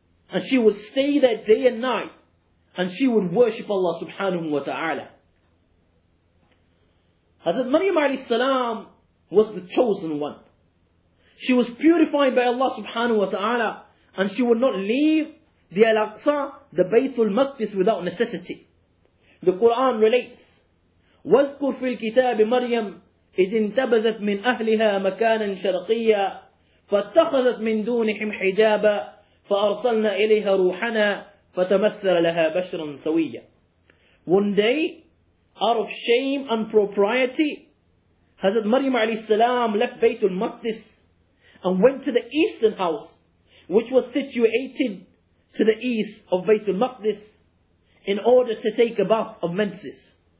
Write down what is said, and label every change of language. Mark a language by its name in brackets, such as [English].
[English] And she would stay there day and night. And she would worship Allah subhanahu wa ta'ala. Hazrat Maryam alayhi salam was the chosen one. She was purified by Allah subhanahu wa ta'ala. And she would not leave the Al-Aqsa, the Baytul Maqdis, without necessity. The Quran relates, [Arabic] وَذْكُرْ فِي الْكِتَابِ مَرْيَمْ إِذْ انْتَبَذَتْ مِنْ أَهْلِهَا مَكَانًا شَرْقِيًّا فَاتَّخَذَتْ مِنْ دُونِهِمْ حِجَابًا فَأَرْسَلْنَا إِلَيْهَا رُوحَنَا فَتَمَثَّلَ لَهَا بَشْرًا سَوِيًّا. [English] One day, out of shame and propriety, Hazrat Maryam alayhi salam left Baytul Maqdis and went to the Eastern House, which was situated to the east of Baytul Maqdis, in order to take a bath of menses.